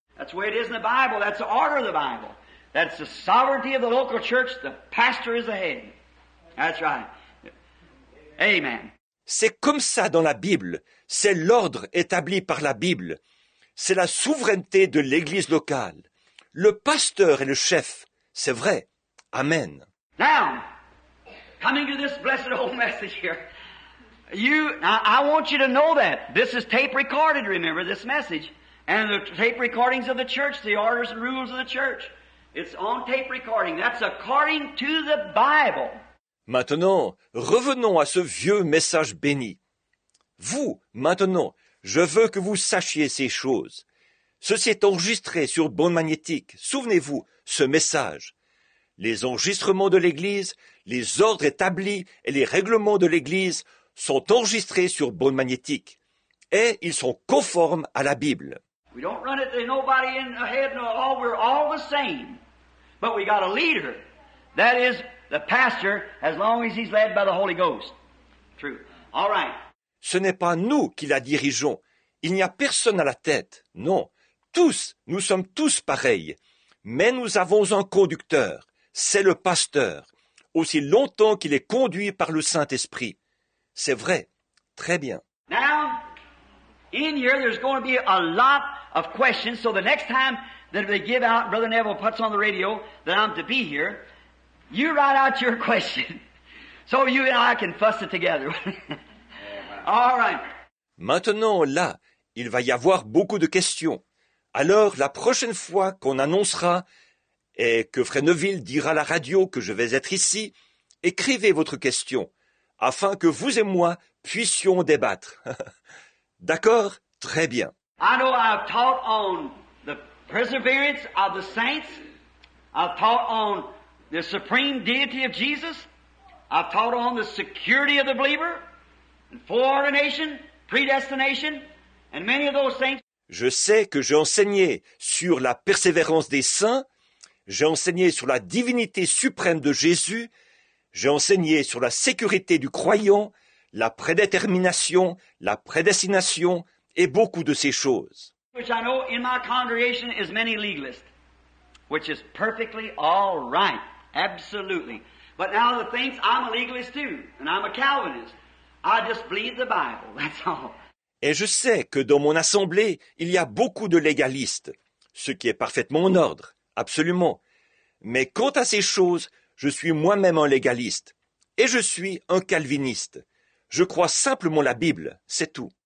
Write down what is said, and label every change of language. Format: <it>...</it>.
<en>That's the way it is in the Bible, that's the order of the Bible. That's the sovereignty of the local church, the pastor is the head. That's right. Amen.</en> <fr>C'est comme ça dans la Bible, c'est l'ordre établi par la Bible. C'est la souveraineté de l'Église locale. Le pasteur est le chef, c'est vrai. Amen.</fr> <en>Now, coming to this blessed old message here, I want you to know that. This is tape recorded, remember, this message. And the tape recordings of the church, the orders and rules of the church. It's on tape recording. That's according to the Bible.</en> <fr>Maintenant, revenons à ce vieux message béni. Vous, maintenant, je veux que vous sachiez ces choses. Ceci est enregistré sur bande magnétique. Souvenez-vous, ce message. Les enregistrements de l'Église, les ordres établis et les règlements de l'Église sont enregistrés sur bande magnétique. Et ils sont conformes à la Bible.</fr> <en>We don't run it to nobody in the head, no, all, we're all the same. But we got a leader. That is the pastor, as long as he's led by the Holy Ghost. True. All right.</en> <fr>Ce n'est pas nous qui la dirigeons. Il n'y a personne à la tête. Non. Tous, nous sommes tous pareils, mais nous avons un conducteur, c'est le pasteur, aussi longtemps qu'il est conduit par le Saint-Esprit. C'est vrai, très bien.</fr> <en>Now, in here, there's going to be a lot of questions, so the next time that they give out, Brother Neville puts on the radio that I'm to be here, you write out your question. So you and I can fuss it together. All right.</en> <fr>Maintenant, là, il va y avoir beaucoup de questions. Alors, la prochaine fois qu'on annoncera et que Fresneville dira à la radio que je vais être ici, écrivez votre question afin que vous et moi puissions débattre. D'accord? Très bien.</fr> <en>I know I've taught on the perseverance of the saints. I've taught on the supreme deity of Jesus. I've taught on the security of the believer, and foreordination, predestination, and many of those things.</en> <fr>Je sais que j'ai enseigné sur la persévérance des saints, j'ai enseigné sur la divinité suprême de Jésus, j'ai enseigné sur la sécurité du croyant, la prédétermination, la prédestination et beaucoup de ces choses.</fr> <en>Which I know in my congregation is many legalists, which is perfectly all right, absolutely. But now the things, I'm a legalist too, and I'm a Calvinist. I just believe the Bible, that's all.</en> <fr>Et je sais que dans mon assemblée, il y a beaucoup de légalistes, ce qui est parfaitement en ordre, absolument. Mais quant à ces choses, je suis moi-même un légaliste, et je suis un calviniste. Je crois simplement la Bible, c'est tout.</fr>